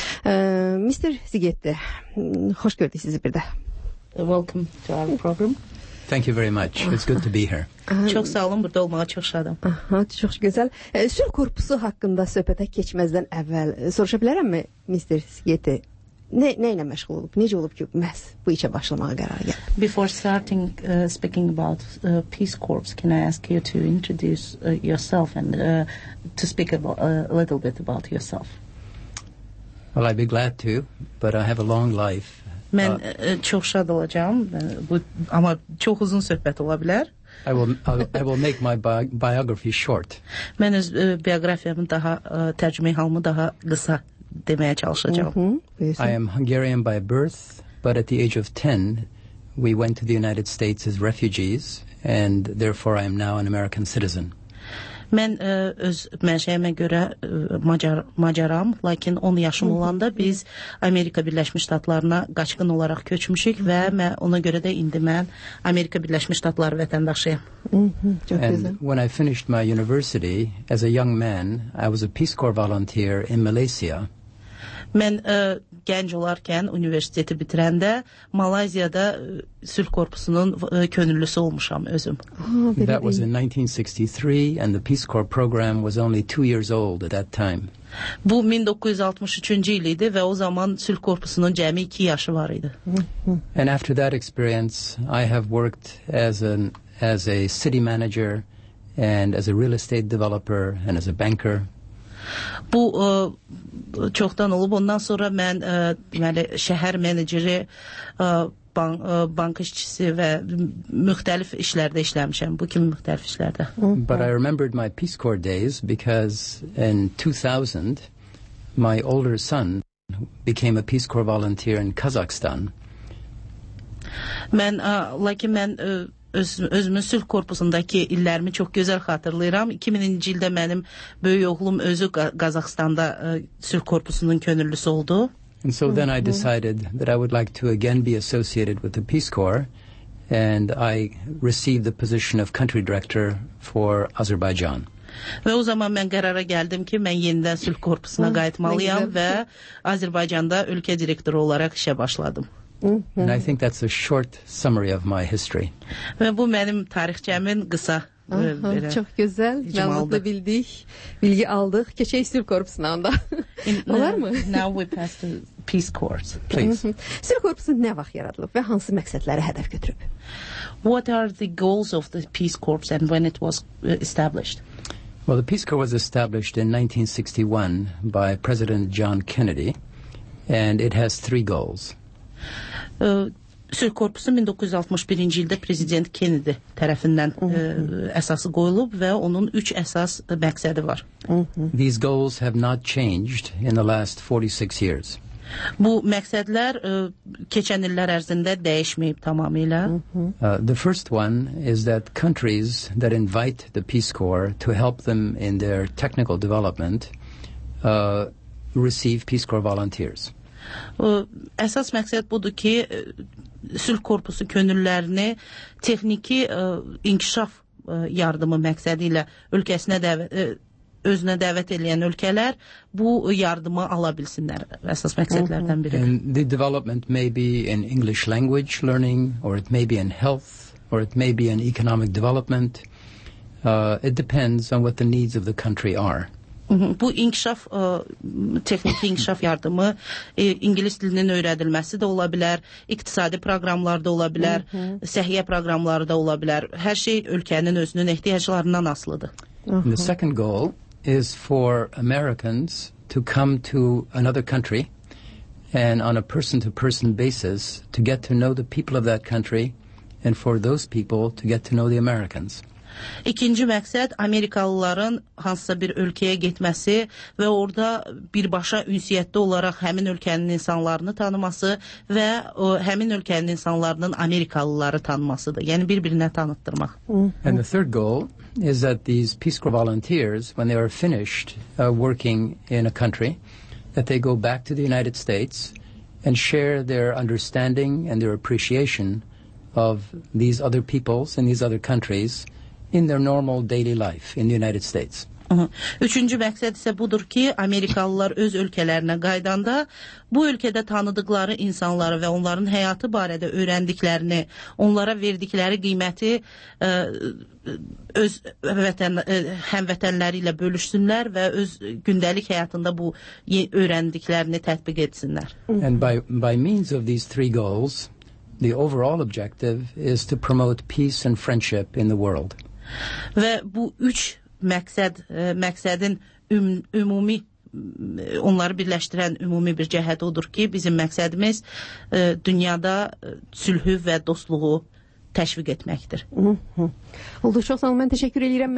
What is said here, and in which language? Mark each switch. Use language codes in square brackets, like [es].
[az] Mr. Sigetti, hoş gördük sizi bir de. [en] Welcome to our program. Thank you very much. It's good to be here. [az] Çok sağ olun, burada olmağa çok şadım. Aha, çok güzel. Sülh Korpusu hakkında söhbətə keçməzdən əvvəl soruşa bilərəm mi, Mr. Sigetti? Ne ile meşgul olup, nece olup ki məhz bu işe başlamağa karar geldi? [en] Before starting speaking about Peace Corps, can I ask you to introduce yourself and to speak about, a little bit about yourself? Well, I'd be glad to, but I have a long life. [az] Mən çok şad olacağım, bu, ama çok uzun söhbət olabilir. [en] I will make my biography short. [az] Mən öz biografiyamı daha, tercüme halımı daha kısa demeye çalışacağım. Mm-hmm. [en] I am Hungarian by birth, but at the age of 10, we went to the United States as refugees, and therefore I am now an American citizen. [az] Mən öz mənşəyimə görə Macaram, lakin 10 yaşım olanda biz Amerika Birləşmiş Ştatlarına qaçqın olaraq köçmüşük və ona görə də indi mən Amerika Birləşmiş Ştatları vətəndaşıyam. [en] And when I finished my university, as a young man, I was a Peace Corps volunteer in Malaysia. [az] Mən gənc olarkən, universiteti bitirəndə, Malayziyada Sülh Korpusunun könüllüsü olmuşam özüm. [en] That was in 1963 and the Peace Corps program was only 2 years old at that time. [az] Bu 1963-cü il idi və o zaman Sülh Korpusunun cəmi 2 yaşı var idi. [en] And after that experience, I have worked as a city manager and as a real estate developer and as a banker. [az] Bu çoxdan olub. Ondan sonra mən deməli şəhər meneceri, bank işçisi və müxtəlif işlərdə işləmişəm. Bu kimi müxtəlif işlərdə. [en] But I remembered my Peace Corps days because in 2000 my older son became a Peace Corps volunteer in Kazakhstan. [az] Özümün Sülh Korpusundakı illərimi çox gözəl xatırlayıram. 2000-ci ildə mənim böyük oğlum özü Qazaxstanda Sülh Korpusunun könüllüsü oldu. [en] And so then I decided that I would like to again be associated with the Peace Corps and I received the position of country director for Azerbaijan. [az] Və o zaman mən qərara gəldim ki, mən yenidən Sülh Korpusuna qayıtmalıyam və Azerbaycanda ölkə direktoru olaraq işə başladım. [en] And I think that's a short summary of my history. [tr] Ve bu benim tarihçemin kısa. [az] Çok güzel. Məlumatı bildik, bilgi aldık. Keçək Sülh Korpusuna onda. Olar mı? [en] Now we pass to Peace Corps. Please. [az] Sülh Korpusu ne vaxt yaradılıb ve hansı məqsədləri hədəf götürüb? [en] What are the goals of the Peace Corps and when it was established? Well, the Peace Corps was established in 1961 by President John Kennedy and it has 3 goals. [az] Sülh Korpusu 1961-ci ildə Prezident Kennedy tərəfindən əsası qoyulub və onun 3 əsas məqsədi var. [en] These goals have not changed in the last 46 years. [az] Bu məqsədlər keçən illər ərzində dəyişməyib tamamilə. [en] The first one is that countries that invite the Peace Corps to help them in their technical development receive Peace Corps volunteers. [az] Əsas məqsəd budur ki, Sülh Korpusu könüllərini texniki inkişaf yardımı məqsədi ilə ölkəsinə özünə dəvət edən ölkələr bu yardımı ala bilsinlər. Əsas məqsədlərdən biri. [en] And the development may be in English language learning, or it may be in health, or it may be in economic development. It depends on what the needs of the country are. [az] Bu inkişaf, texniki inkişaf yardımı, ingilis dilinin öyrədilməsi də ola bilər, iqtisadi proqramlar da ola bilər, səhiyyə proqramları da ola bilər. Hər şey ölkənin özünün ehtiyaclarından asılıdır. [en] The second goal is for Americans to come to another country and on a person-to-person basis to get to know the people of that country and for those people to get to know the Americans. [az] İkinci məqsəd Amerikalıların hansısa bir ölkəyə getməsi və orada birbaşa ünsiyyətdə olaraq həmin ölkənin insanlarını tanıması və həmin ölkənin insanlarının Amerikalıları tanımasıdır. Yəni bir-birinə tanıtdırmaq. [en] And the third goal is that these Peace Corps volunteers, when they are finished working in a country, that they go back to the United States and share their understanding and their appreciation of these other peoples in these other countries in their normal daily life in the United States. [az] Üçüncü məqsəd isə budur ki, Amerikalılar öz ölkələrinə qayıdanda bu ölkədə tanıdıqları insanları və onların həyatı barədə öyrəndiklərini, onlara verdikləri qiyməti öz həmvətənləri ilə bölüşsünlər və öz gündəlik həyatında bu öyrəndiklərini tətbiq etsinlər. [en] And by means of these three goals, the overall objective is to promote peace and friendship in the world. [az] Və bu üç məqsədin ümumi onları birləşdirən ümumi bir cəhət odur ki, bizim məqsədimiz dünyada sülhü və dostluğu təşviq etməkdir. Oldu, çox sağ olun. Mən təşəkkür edirəm.